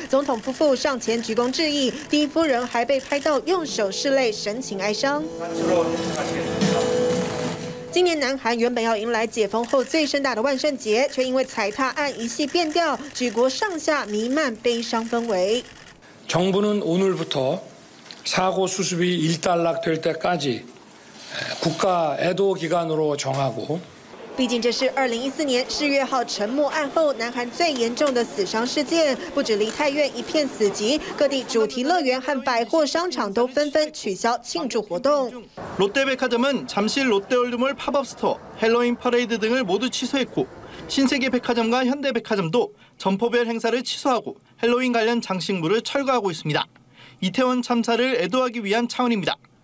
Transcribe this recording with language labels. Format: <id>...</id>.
<zh>总统夫妇上前鞠躬致意，第一夫人还被拍到用手拭泪，神情哀伤。今年南韩原本要迎来解封后最盛大的万圣节，却因为踩踏案一系变调，举国上下弥漫悲伤氛围。</zh> <ko>정부는오늘부터사고수습이일단락될때까지국가애도기간으로정하고</ko> <zh>毕竟这是2014年4月沉默案后南韩最严重的死伤事件，不止梨泰院一片死寂，各地主题乐园和百货商场都纷纷取消庆祝活动。</zh> <ko>롯데백화점은잠실롯데월드몰팝업스토어할로윈파레이드등을모두취소했고신세계백화점과현대백화점도점포별행사를취소하고할로윈관련장식물을철거하고있습니다이태원참사를애도하기위한차원입니다</ko>